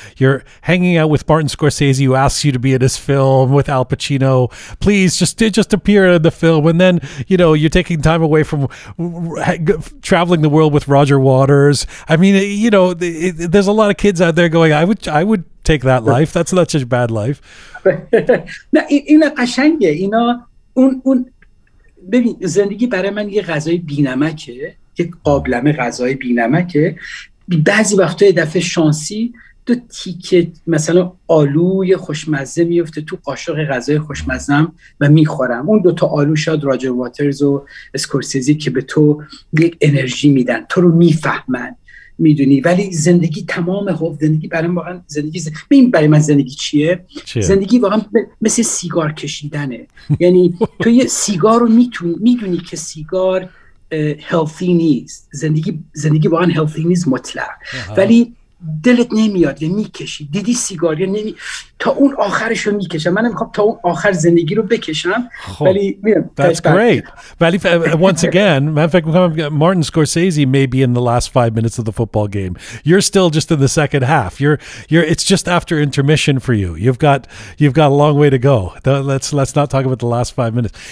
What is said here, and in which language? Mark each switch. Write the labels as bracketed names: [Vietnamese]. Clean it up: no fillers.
[English] You're hanging out with Martin Scorsese, who asks you to be in his film, with Al Pacino, please just appear in the film, and then, you know, you're taking time away from traveling the world with Roger Waters. I mean, you know, there's a lot of kids out there going, I would take that life. That's not such a bad life. [Persian] نه اینا قشنگه. اینا اون ببین زندگی برای من یه غذای بی‌نمکه، یه قابلمه غذای بی‌نمکه. بعضی وقتا یه دفعه شانسی تو تیکه مثلا آلوی خوشمزه میفته تو قاشق غذای خوشمزم و میخورم. اون دوتا آلو شاد راجر واترز و اسکورسیزی که به تو یک انرژی میدن، تو رو میفهمن، میدونی. ولی زندگی تمام خوب، زندگی برای من واقعا ببین برای من زندگی چیه؟ زندگی واقعا مثل سیگار کشیدنه. یعنی تو یه سیگار رو میدونی که سیگار هلثی نیست. زندگی واقعا هلثی نیست مطلق. ولی دلت نمیاد، یه میکشی، دیدی سیگار، یه نمی، تا اون آخرش رو میکشم. من میخوام تا اون آخر زندگی رو بکشم. خب. ولی [English] That's great. ولی once again, matter of fact, Martin Scorsese may be in the last 5 minutes of the football game. You're still just in the second half. You're it's just after intermission for you. You've got a long way to go. Let's not talk about the last 5 minutes.